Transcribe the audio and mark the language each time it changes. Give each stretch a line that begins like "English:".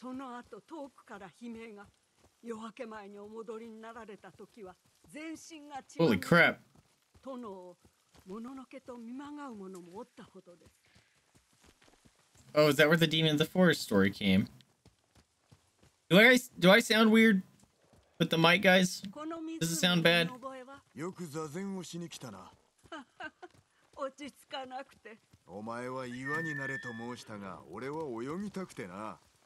Japanese: 夢ではありませんよ。怯えていらっしゃったので嘘をつきました。まことか。おっしゃ。男が叫んでおったな。あの夜、従者と館に戻っていたところ、賊に襲われたのです。賊とは穏やかではないな。従者は震えておったろう。ええ。ですが、殿のお姿に父上になぜだ。老頭と共に賊を追い払ったのですが、すぐさまお一人で追いかけられて、その後遠くから悲鳴が。夜明け前にお戻りになられた時は全身が血。殿をもののけと見まがう者もおったほどです。
English: Oh, is that where the Demon of the Forest story came? Do I sound weird with the mic, guys? Does it sound bad?
Japanese: よく座禅をしに来たな。落ち着かなくて。お前は岩になれと申したが、俺は泳ぎたくてな。